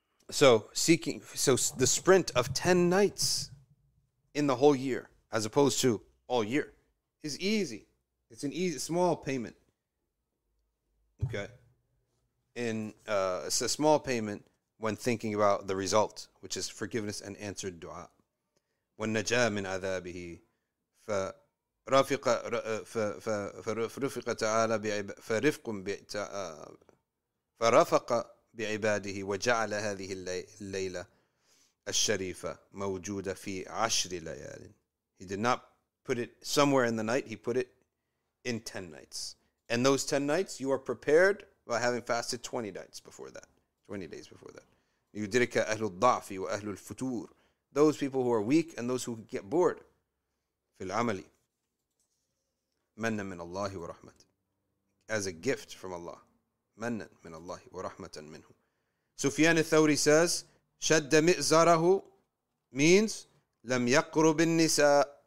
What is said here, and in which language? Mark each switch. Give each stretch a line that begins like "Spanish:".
English: So the sprint of 10 nights in the whole year, as opposed to all year, is easy. It's an easy, small payment. Okay? It's a small payment when thinking about the result, which is forgiveness and answered dua. When
Arabic: najā min adhābihi, فَرَفَقَ بعباده وجعل هذه الليلة الشريفة موجودة في عشر ليال.
English: He did not put it somewhere in the night. He put it in 10 nights. And those 10 nights, you are prepared by having fasted 20 nights before that. 20 days before that.
Arabic: يدرك أهل الضعف وأهل الفتور.
English: Those people who are weak and those who get bored.
Arabic: في العمل. منا من الله ورحمة.
English: As a gift from Allah.
Arabic: مَنَّا مِنَ اللَّهِ وَرَحْمَةً مِنْهُ.
English: Sufyan al-Thawri says,
Arabic: شَدَّ مِئْزَرَهُ
English: means,
Arabic: لَمْ يَقْرُبِ النِّسَاءِ.